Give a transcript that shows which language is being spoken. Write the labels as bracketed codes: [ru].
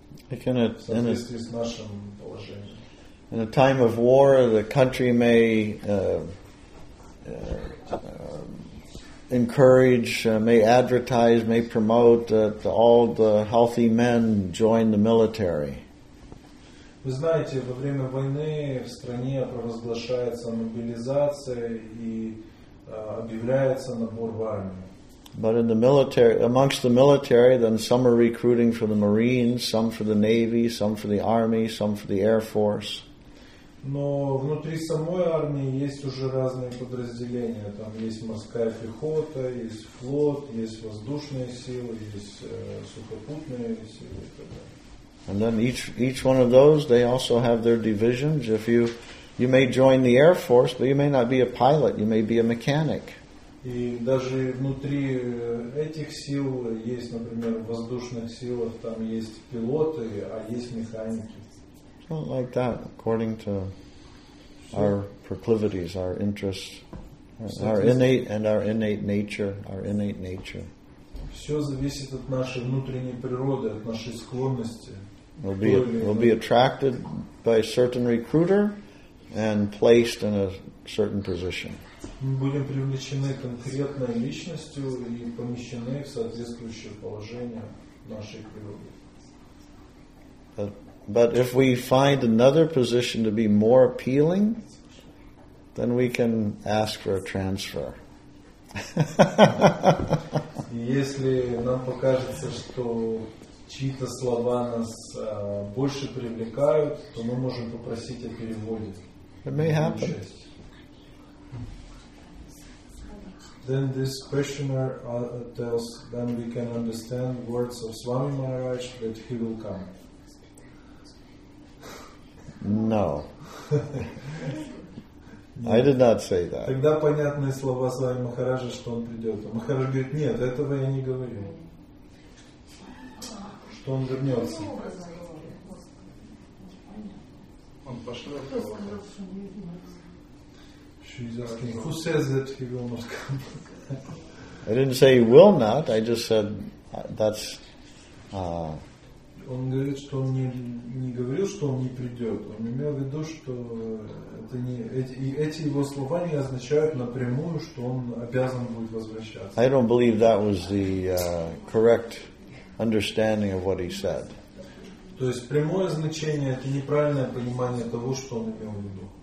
[ru] В соответствии с нашим положением. [en] In a time of war, the country may encourage, may advertise, may promote that all the healthy men join the military. [ru] Вы знаете, во время войны в стране провозглашается мобилизация и объявляется набор в армию. [en] But in the military, amongst the military, then some are recruiting for the Marines, some for the Navy, some for the Army, some for the Air Force. [ru] Но внутри самой армии есть уже разные подразделения. Там есть морская пехота, есть флот, есть воздушные силы, есть сухопутные силы и так далее. [en] And then each one of those, they also have their divisions. If you may join the Air Force, but you may not be a pilot, you may be a mechanic. [ru] И даже внутри этих сил есть, например, в воздушных силах там есть пилоты, а есть механики. [en] Well, like that, according to our proclivities, our interests, our innate and our innate nature, our innate nature. [ru] Все зависит от нашей внутренней природы, от нашей склонности. [en] We'll be attracted by a certain recruiter and placed in a certain position. [ru] Мы будем привлечены конкретной личностью и помещены в соответствующее положение нашей природы. [en] But if we find another position to be more appealing, then we can ask for a transfer. [ru] Если нам покажется, что чьи-то слова нас больше привлекают, то мы можем попросить о переводе. [en] It may happen. Then this questioner tells, then we can understand words of Swami Maharaj that he will come. No. I did not say that. [ru] Тогда понятные слова Свами Махараджа, что он придет. Махарадж говорит, нет, этого я не говорю. что он вернется. [en] Who says that he will not come? I didn't say he will not. I just said that's. [ru] Он говорит, что он не говорил, что он не придет. Он имел в виду, что это не эти его слова не означают напрямую, что он обязан будет возвращаться. [en] I don't believe that was the correct understanding of what he said. [ru] То есть прямое значение это неправильное понимание того, что он имел в виду.